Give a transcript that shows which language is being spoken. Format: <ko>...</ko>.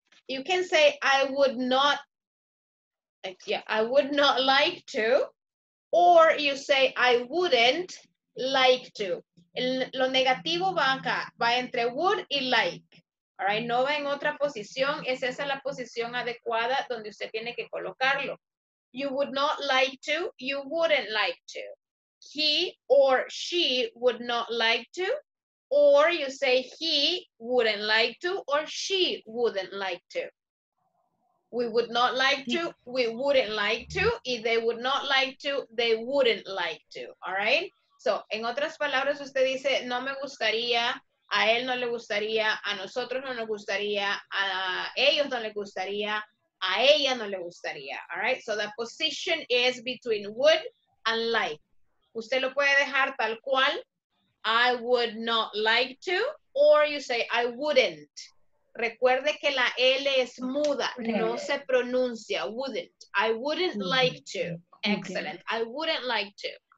<en>You can say, I would not like to, or you say, I wouldn't like to.</en> <es>Lo negativo va acá, va entre would y like,</es> <en>all right?</en> <es>No va en otra posición, es esa la posición adecuada donde usted tiene que colocarlo.</es> <en>You would not like to, you wouldn't like to. He or she would not like to, or you say he wouldn't like to, or she wouldn't like to. We would not like to, we wouldn't like to, if they would not like to, they wouldn't like to, all right?</en> <es>So, en otras palabras, usted dice, no me gustaría, a él no le gustaría, a nosotros no nos gustaría, a ellos no le gustaría, a ella no le gustaría,</es> <en>all right? So, the position is between would and like.</en> <es>Usted lo puede dejar tal cual,</es> <en>I would not like to, or you say, I wouldn't.</en> <es>Recuerde que la L es muda, no se pronuncia, wouldn't.</es> <en>I wouldn't like to. Excellent. Okay. I wouldn't like to.</en>